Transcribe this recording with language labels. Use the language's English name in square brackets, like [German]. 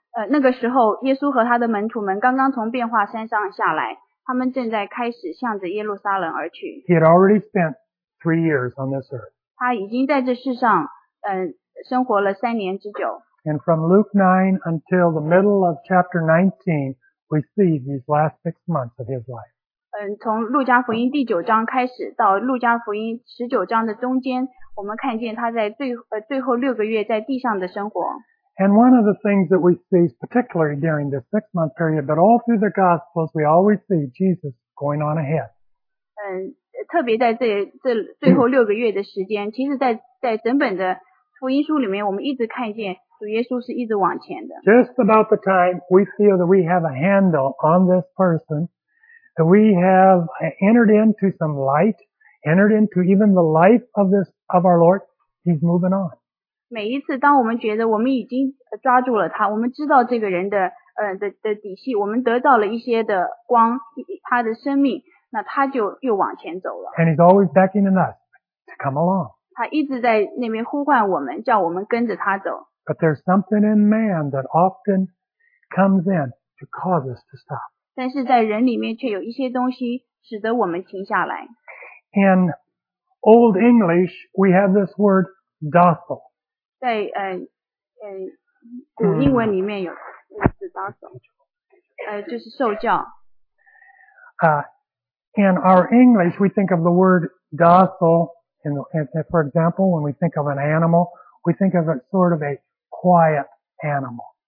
[Chinese] 那个时候耶稣和他的门徒们刚刚从变化山上下来，他们正在开始向着耶路撒冷而去。 [English] He had already spent 3 years on this earth. [Chinese] 他已经在这世上生活了三年之久。 [English] And from Luke 9 until the middle of chapter 19, we see these last 6 months of his life. [Chinese] 从路加福音第九章开始到路加福音十九章的中间，我们看见他在最后六个月在地上的生活。 [English] And one of the things that we see, particularly during this 6 month period, but all through the Gospels, we always see Jesus going on ahead. [Chinese] 特别在 这最后六个月的时间，其实 在整本的福音书里面，我们一直看见主耶稣是一直往前的。 [English] Just about the time we feel that we have a handle on this person, that we have entered into some light, entered into even the life of this of our Lord, he's moving on. [Chinese] 每一次当我们觉得我们已经抓住了他，我们知道这个人 的底细，我们得到了一些的光，他的生命。那他就又往前走了。 [English] And he's always beckoning us to come along. [Chinese] 他一直在那边呼唤我们，叫我们跟着他走。 [English] But there's something in man that often comes in to cause us to stop. [Chinese] 但是在人里面却有一些东西使得我们停下来。 [English] In Old English, we have this word docile. [Chinese] 在古英文里面有是 docile， 就是受教。 [English] In our English, we think of the word docile, for example, when we think of an animal, we think of it sort of a quiet animal.